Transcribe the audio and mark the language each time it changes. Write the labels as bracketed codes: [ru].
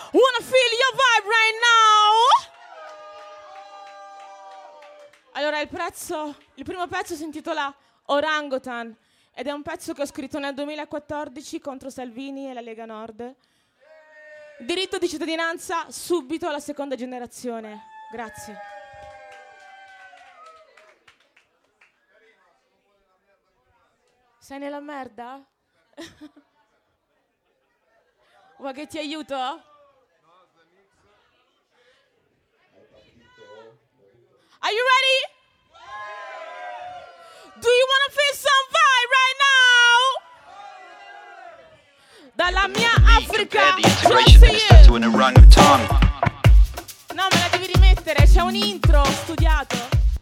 [en] Wanna feel your vibe right now. [it] Allora, il primo pezzo si intitola Orangutan ed è un pezzo che ho scritto nel 2014 contro Salvini e la Lega Nord. Diritto di cittadinanza subito alla seconda generazione. Grazie. Sei nella merda? Vuoi che ti aiuto? [en] Are you ready? Do you wanna feel some vibe right now? [it] Dalla mia Africa, [en] to an orangutan. [it] No, me la devi rimettere, c'è un intro studiato.